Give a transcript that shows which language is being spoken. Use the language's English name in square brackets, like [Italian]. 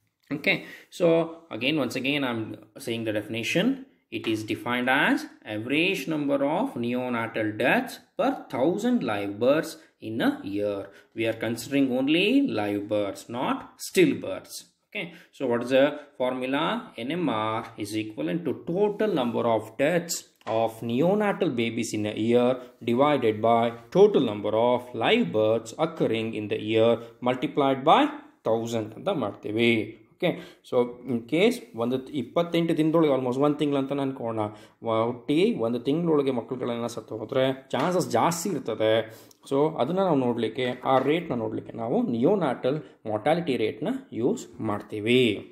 [English] Okay, so again once again I am saying the definition. It is defined as average number of neonatal deaths per 1000 live births in a year. We are considering only live births, not still births. Okay, so what is the formula? NMR is equivalent to total number of deaths of neonatal babies in a year divided by total number of live births occurring in the year multiplied by 1000 [Kannada] ಅಂತ ಮಾಡ್ತೀವಿ. Okay, so in case 28 ದಿನದೊಳಗೆ almost 1 ತಿಂಗಳು ಅಂತ ಅನ್ಕೋಣ, ಒಟ್ಟಿ 1 ತಿಂಗಳೊಳಗೆ ಮಕ್ಕಳುಗಳನ್ನ ಸತ್ತು ಹೋದ್ರೆ chances ಜಾಸ್ತಿ ಇರ್ತದೆ. ಸೊ ಅದನ್ನು ನಾವು ನೋಡಲಿಕ್ಕೆ, ಆ ರೇಟ್ನ ನೋಡಲಿಕ್ಕೆ ನಾವು ನಿಯೋನಾಟಲ್ ಮಾರ್ಟಾಲಿಟಿ ರೇಟ್ನ ಯೂಸ್ ಮಾಡ್ತೀವಿ.